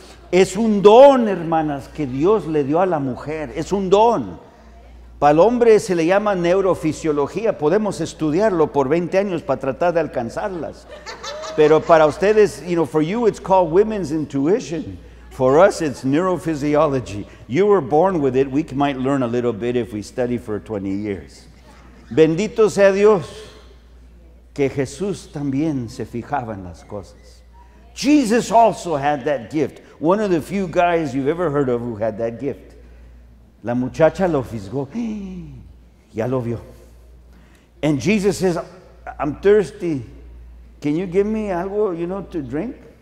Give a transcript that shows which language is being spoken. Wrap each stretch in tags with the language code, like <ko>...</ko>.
<es>Es un don, hermanas, que Dios le dio a la mujer. Es un don. Para el hombre se le llama neurofisiología. Podemos estudiarlo por 20 años para tratar de alcanzarlas. Pero para ustedes,</es> <en>you know, for you it's called women's intuition. For us it's neurophysiology. You were born with it. We might learn a little bit if we study for 20 years.</en> <es>Bendito sea Dios que Jesús también se fijaba en las cosas.</es> <en>Jesus also had that gift. One of the few guys you've ever heard of who had that gift.</en> <es>La muchacha lo fisgó. Ya lo vio.</es> <en>And Jesus says, I'm thirsty. Can you give me</en> <es>algo,</es> <en>you know, to drink?</en>